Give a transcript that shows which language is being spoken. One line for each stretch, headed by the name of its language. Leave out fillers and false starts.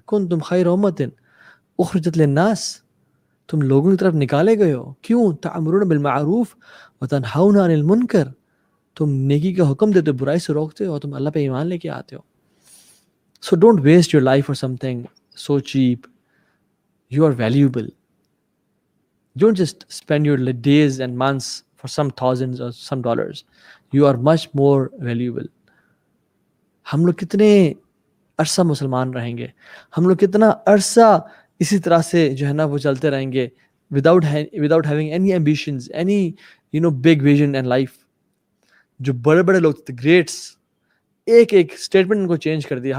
Arabic: کن تم خیر امتن اخرجت للناس,
Urdu: تم لوگوں کی طرف نکالے گئے ہو. کیوں؟
Arabic: تعمرون بالمعروف و تنہون عن المنکر,
Urdu: تم نیکی کا حکم دیتے ہو, برائی سے روکتے ہو اور تم اللہ پہ ایمان لے کے آتے ہو.
English: So don't waste your life for something so cheap. You are valuable. You don't just spend your days and months for some thousands or some dollars. You are much more valuable.
Urdu: ہم لوگ کتنے عرصہ مسلمان رہیں گے, ہم لوگ کتنا عرصہ اسی طرح سے جو ہے نا وہ چلتے رہیں گے
English: without having any ambitions, any you know big vision in life.
Urdu: جو بڑے بڑے لوگ تھے, greats, ایک ایک اسٹیٹمنٹ ان کو چینج کر دیا.